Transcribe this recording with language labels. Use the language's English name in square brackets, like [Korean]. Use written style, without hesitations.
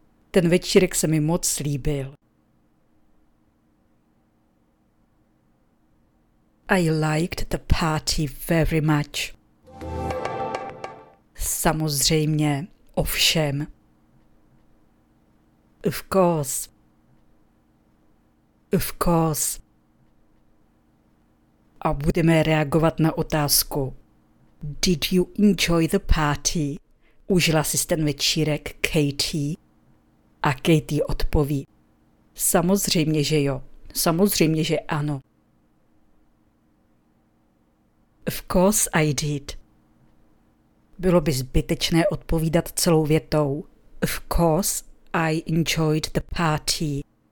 [Czech] Ten večírek se mi moc líbil. [English] I liked the party very much. [Czech] Samozřejmě, ovšem. [English] Of course. Of course. [Czech] A budeme reagovat na otázku. [English] Did you enjoy the party? [Czech] Užila jsi ten večírek, Katie? A Katie odpoví. Samozřejmě, že jo. Samozřejmě, že ano. [English] Of course I did. [Czech] Bylo by zbytečné odpovídat celou větou. [English] Of course I enjoyed the party.